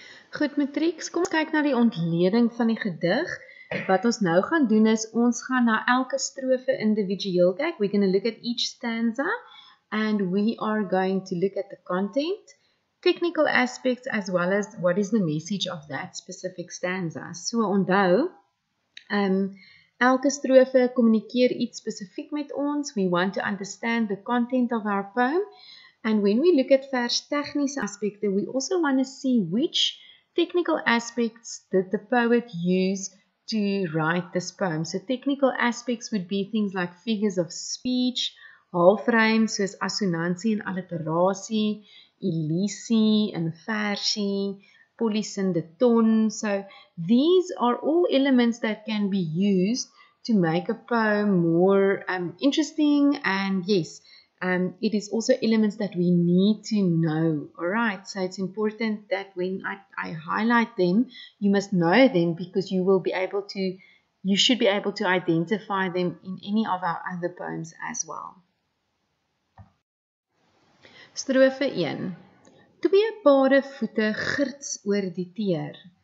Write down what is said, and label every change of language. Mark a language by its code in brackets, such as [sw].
[af] Goed, matrieks, kom ons kyk na die ontleding van die gedig. Wat ons nou gaan doen is, ons gaan na elke strofe individueel kyk. [en] We're going to look at each stanza and we are going to look at the content, technical aspects as well as what is the message of that specific stanza. [af] So onthou, elke strofe kommunikeer iets spesifiek met ons. [en] We want to understand the content of our poem. And when we look at [af] vers technische aspekte, [en] we also want to see which technical aspects did the poet use to write this poem. So technical aspects would be things like figures of speech, halframes, [af] soos assonansie en alliterasie, [en] elisie, inversie, polysyndeton. So these are all elements that can be used to make a poem more interesting, and yes, it is also elements that we need to know, alright? So it's important that when I highlight them, you must know them because you will be able to, you should be able to identify them in any of our other poems as well. [af] Strofe 1. Twee pare voete girts oor die teer.